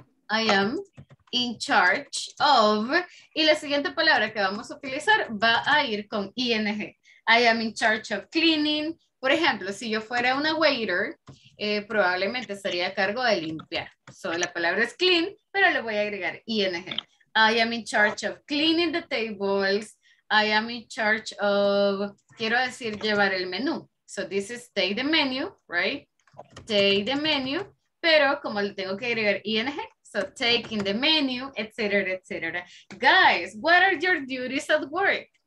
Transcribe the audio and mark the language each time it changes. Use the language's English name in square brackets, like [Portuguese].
[English] I am in charge of. [Spanish] Y la siguiente palabra que vamos a utilizar va a ir con ing. [English] I am in charge of cleaning. [Spanish] Por ejemplo, si yo fuera una waiter, probablemente estaría a cargo de limpiar. So, la palabra es clean, pero le voy a agregar ing. [English] I am in charge of cleaning the tables. I am in charge of, [Spanish] quiero decir, llevar el menú. [English] So this is take the menu, right? Take the menu, [Spanish] pero como le tengo que agregar [English] ing, so taking the menu, etc., etc. Guys, what are your duties at work?